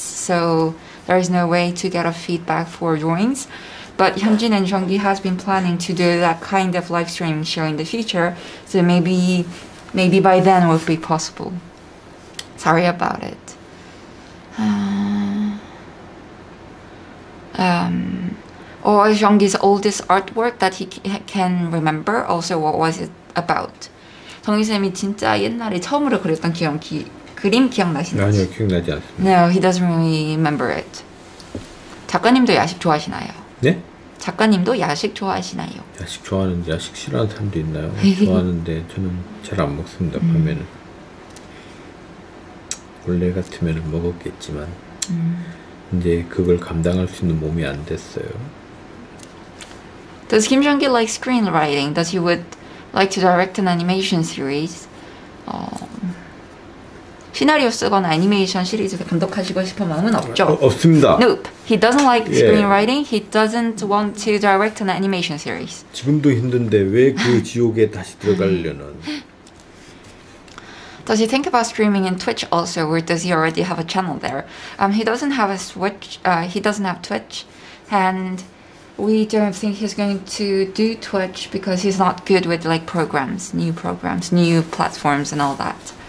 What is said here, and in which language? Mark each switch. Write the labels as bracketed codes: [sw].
[en] So there is no way to get a feedback for drawings, but Hyunjin and Jeonggi has been planning to do that kind of live stream show in the future, so maybe by then it would be possible. Sorry about it. Or Jeonggi's oldest artwork that he can remember, also what was it about? [ko] 정희쌤이 진짜 옛날에 처음으로 그렸던 그림 기억나시나요? 아니요, 기억나지 않습니다. [en] No, he doesn't really remember it. [ko] 작가님도 야식 좋아하시나요? 네? 작가님도 야식 좋아하시나요? 야식 좋아하는데 야식 싫어하는 사람도 있나요? 좋아하는데 저는 잘 안 먹습니다. 밤에는. 원래 같으면 먹었겠지만 이제 그걸 감당할 수 있는 몸이 안 됐어요. [en] Does Kim Jeong-gi like screenwriting? Does he would like to direct an animation series? [ko] 시나리오 쓰거나 애니메이션 시리즈 감독하시고 싶은 마음은 없죠? 없습니다. [en] Nope. He doesn't like screenwriting. He doesn't want to direct an animation series. [ko] 지금도 힘든데 왜 그 지옥에 다시 들어가려는? [en] Does he think about streaming in Twitch also, or does he already have a channel there? He doesn't have a Switch. He doesn't have Twitch, and we don't think he's going to do Twitch because he's not good with like programs, new platforms, and all that.